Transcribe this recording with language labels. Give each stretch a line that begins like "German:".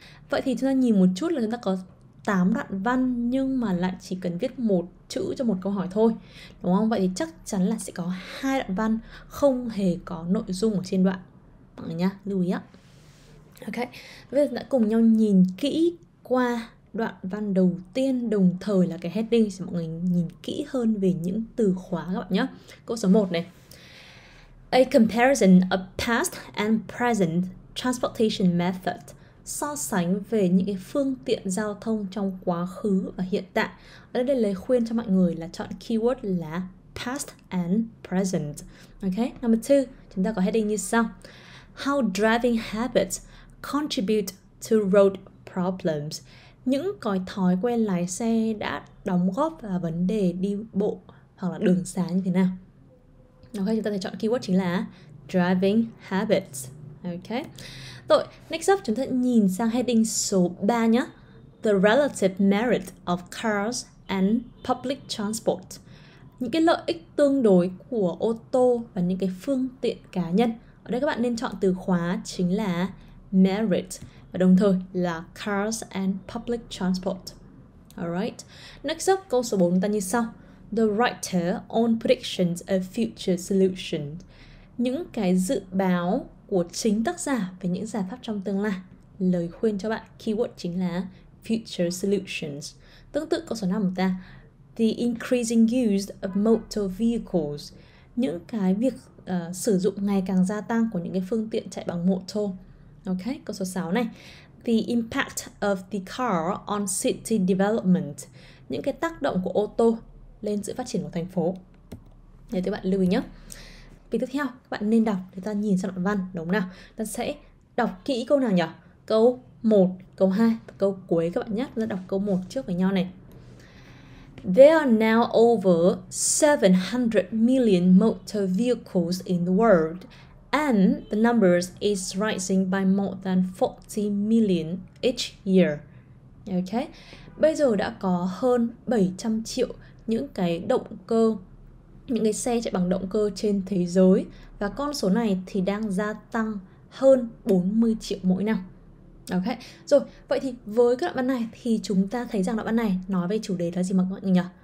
Vietnamese: Vậy thì chúng ta nhìn một chút là chúng ta có 8 đoạn văn nhưng mà lại chỉ cần viết một chữ cho một câu hỏi thôi, đúng không? Vậy thì chắc chắn là sẽ có hai đoạn văn không hề có nội dung ở trên đoạn. Mọi người nhá, lưu ý ạ. Ok, bây giờ đã cùng nhau nhìn kỹ qua đoạn văn đầu tiên, đồng thời là cái heading sẽ mọi người nhìn kỹ hơn về những từ khóa các bạn nhé. Câu số 1 này.
English: A comparison of past and present transportation method.
Vietnamese: So sánh về những cái phương tiện giao thông trong quá khứ và hiện tại. Ở đây lời khuyên cho mọi người là chọn keyword là past and present.
English: Ok, number 2,
Vietnamese: chúng ta có heading như sau.
English: How driving habits contribute to road problems.
Vietnamese: Những cái thói quen lái xe đã đóng góp vào vấn đề đi bộ hoặc là đường xá như thế nào? Ok, chúng ta sẽ chọn keyword chính là driving habits. Ok. Rồi, next up chúng ta nhìn sang heading số 3 nhé.
English: The relative merit of cars and public transport.
Vietnamese: Những cái lợi ích tương đối của ô tô và những cái phương tiện cá nhân. Ở đây các bạn nên chọn từ khóa chính là merit và đồng thời là cars and public transport. Alright.
English: Next up,
Vietnamese: câu số 4 chúng ta như sau.
English: The writer on predictions of future solutions.
Vietnamese: Những cái dự báo của chính tác giả về những giải pháp trong tương lai. Lời khuyên cho bạn, keyword chính là future solutions. Tương tự câu số 5 của ta.
English: The increasing use of motor vehicles.
Vietnamese: Những cái việc sử dụng ngày càng gia tăng của những cái phương tiện chạy bằng mô tô. Ok, câu số 6 này.
English: The impact of the car on city development.
Vietnamese: Những cái tác động của ô tô lên sự phát triển của thành phố. Để các bạn lưu ý nhé. Vì tiếp theo, các bạn nên đọc để ta nhìn sang đoạn văn, đúng không nào? Ta sẽ đọc kỹ câu nào nhỉ? Câu 1, câu 2 và câu cuối các bạn nhé. Ta đọc câu 1 trước với nhau này.
English: There are now over 700 million motor vehicles in the world, and the numbers is rising by more than 40 million each year. Okay.
Vietnamese: Bây giờ đã có hơn 700 triệu những cái động cơ, những cái xe chạy bằng động cơ trên thế giới, và con số này thì đang gia tăng hơn 40 triệu mỗi năm. Ok, rồi, vậy thì với các đoạn văn này thì chúng ta thấy rằng đoạn văn này nói về chủ đề là gì mà các bạn nhỉ?